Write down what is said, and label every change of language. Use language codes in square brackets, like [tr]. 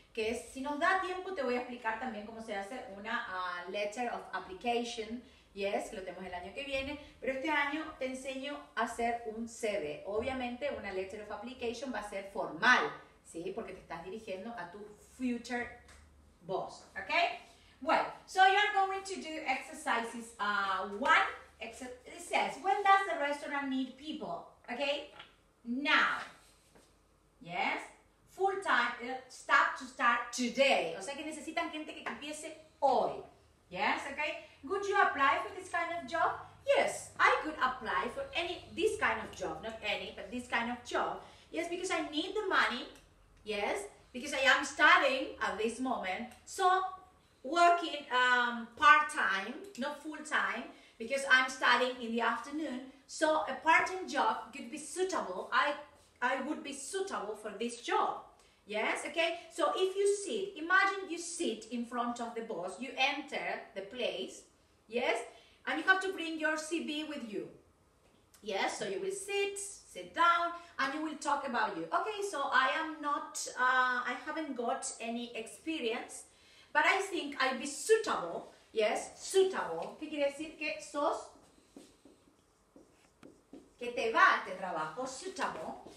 [es] Que es, si nos da tiempo, te voy a explicar también cómo se hace una [en] letter of application. [es] Yes, lo tenemos el año que viene, pero este año te enseño a hacer un CV. Obviamente, una [en] letter of application [es] va a ser formal, ¿sí? Porque te estás dirigiendo a tu [en] future boss, [es] ¿ok? [en] Well, so you are going to do exercises one. It says, when does the restaurant need people? Okay, now. Yes, full time, staff to start today. [es] O sea que necesitan gente que empiece hoy. [en] Yes, okay. Would you apply for this kind of job? Yes, I could apply for this kind of job, not any, but this kind of job. Yes, because I need the money. Yes, because I am studying at this moment. So, working part-time, not full-time, because I'm studying in the afternoon. So, a part-time job could be suitable. I would be suitable for this job. Yes, okay? So if you sit, imagine you sit in front of the boss, you enter the place, yes? And you have to bring your CV with you. Yes, so you will sit down, and you will talk about you. Okay, so I am not, I haven't got any experience, but I think I'd be suitable, yes? [es] Suitable. ¿Qué quiere decir? Que sos, que te va a este trabajo, suitable.